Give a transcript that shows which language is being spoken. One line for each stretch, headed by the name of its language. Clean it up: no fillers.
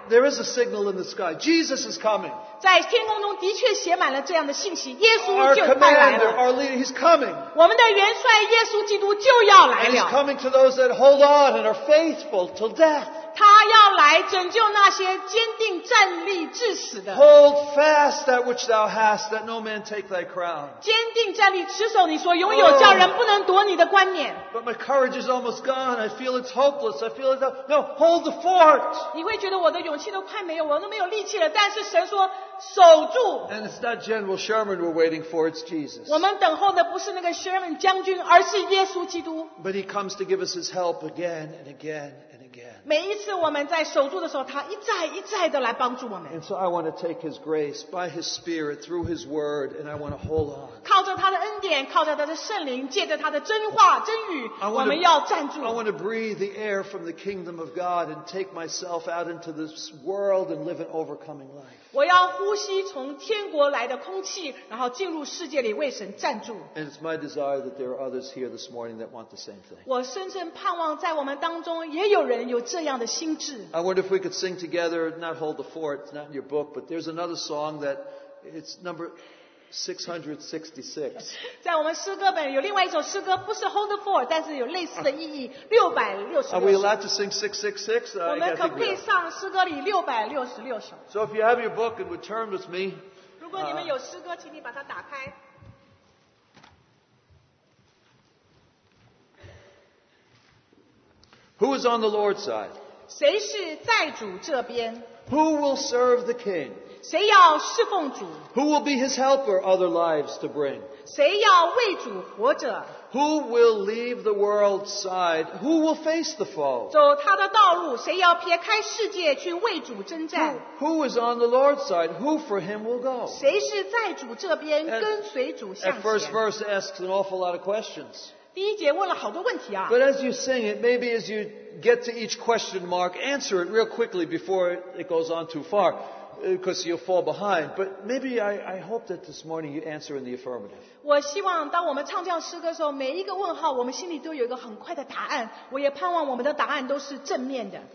English: You know, there is a signal in the sky, Jesus is coming.
Chinese: 在天空中的确写满了这样的信息，耶稣就快来了。
English: Our commander, our leader, he's coming.
Chinese: 我们的元帅耶稣基督就要来了。
English: And he's coming to those that hold on and are faithful till death.
Chinese: 他要来拯救那些坚定站立至死的。
English: Hold fast that which thou hast, that no man take thy crown.
Chinese: 坚定站立，持守你所拥有，叫人不能夺你的冠冕。
English: But my courage is almost gone. I feel it's hopeless. I feel it's no. Hold the fort.
Chinese: 你会觉得我的勇气都快没有，我都没有力气了。但是神说，守住。
English: And it's not General Sherman we're waiting for. It's Jesus.
Chinese: 我们等候的不是那个 Sherman 将军，而是耶稣基督。
English: But he comes to give us his help again and again.
Chinese: 每一次我们在守住的时候，他一再一再的来帮助我们。
English: And so I want to take His grace by His Spirit through His Word, and I want to hold on.
Chinese: 靠着他的恩典，靠着他的圣灵，借着他的真话真语，我们要站住。
English: I want to breathe the air from the kingdom of God and take myself out into this world and live an overcoming life.
Chinese: 我要呼吸从天国来的空气，然后进入世界里为神站住。
English: And it's my desire that there are others here this morning that want the same thing.
Chinese: 我深深盼望在我们当中也有人有。
English: I wonder if we could sing together, not hold the fort, it's not in your book, but there's another song that it's number 666.
Chinese: 在我们诗歌本有另外一首诗歌，不是 hold the fort, 但是有类似的意义，666.
English: Are we allowed to sing 666?
Chinese: 我们可配上诗歌里666首。
English: So if you have your book and would turn with me.
Chinese: 如果你们有诗歌，请你把它打开。
English: Who is on the Lord's side?
Chinese: 谁是在主这边?
English: Who will serve the king?
Chinese: 谁要侍奉主?
English: Who will be his helper other lives to bring?
Chinese: 谁要为主活着?
English: Who will leave the world's side? Who will face the foe?
Chinese: 走他的道路,谁要撇开世界去为主征战?
English: Who is on the Lord's side? Who for him will go?
Chinese: 谁是在主这边跟随主向前?
English: That first verse asks an awful lot of questions.
Chinese: 第一节问了好多问题啊。
English: But as you sing it, maybe as you get to each question mark, answer it real quickly before it goes on too far. because you'll fall behind. But maybe I hope that this morning you answer in the affirmative.
Chinese: 我希望当我们唱这样诗歌的时候，每一个问号，我们心里都有一个很快的答案。我也盼望我们的答案都是正面的。